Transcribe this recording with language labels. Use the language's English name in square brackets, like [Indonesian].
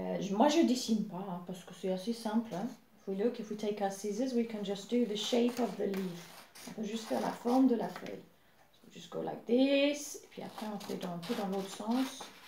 [French] moi je dessine pas hein, parce que c'est assez simple. Hein. [English] If we take our scissors, we can just do the shape of the leaf. [French] On peut juste faire la forme de la feuille. [English] So we just go like this. [French] Et puis après on fait un peu dans l'autre sens.